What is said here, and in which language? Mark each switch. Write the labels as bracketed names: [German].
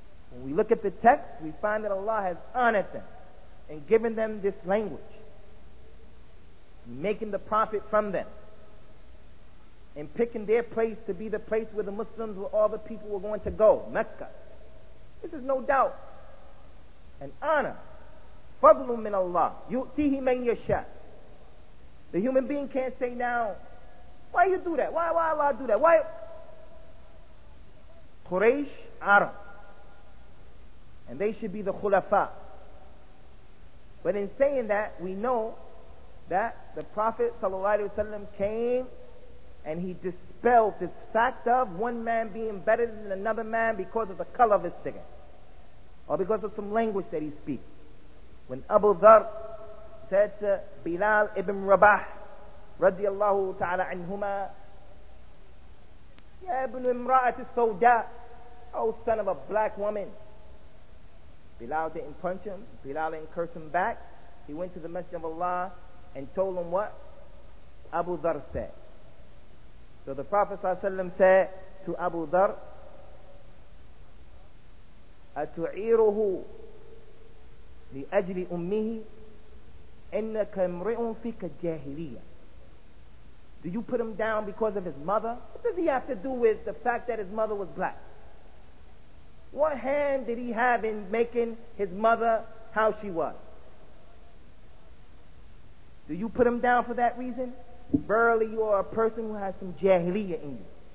[English] When we look at the text, we find that Allah has honored them and given them this language, making the Prophet from them and picking their place to be the place where the Muslims, where all the people were going to go, Mecca. This is no doubt an honor. [Arabic] فضل من الله يؤتيه من يشاء. [English] The human being can't say now, why you do that? Why Allah do that? Why? Quraysh, Arab. And they should be the Khulafa. But in saying that, we know that the Prophet ﷺ came and he dispelled this fact of one man being better than another man because of the color of his skin, or because of some language that he speaks. When Abu Dharr said to Bilal ibn Rabah radiallahu ta'ala anhuma, [Arabic] Ya ibn imra'at al-sawda, [English] oh son of a black woman. Bilal didn't punch him. Bilal didn't curse him back. He went to the Messenger of Allah and told him what Abu Dharr said. So the Prophet ﷺ said to Abu Dharr, [Arabic] أَتُعِيرُهُ لِأَجْلِ أُمِّهِ إِنَّكَ امْرِئٌ فِيكَ جَاهِلِيَّةٌ. [English] Do you put him down because of his mother? What does he have to do with the fact that his mother was black? What hand did he have in making his mother how she was? Do you put him down for that reason? Verily, you are a person who has some jahiliyyah in you.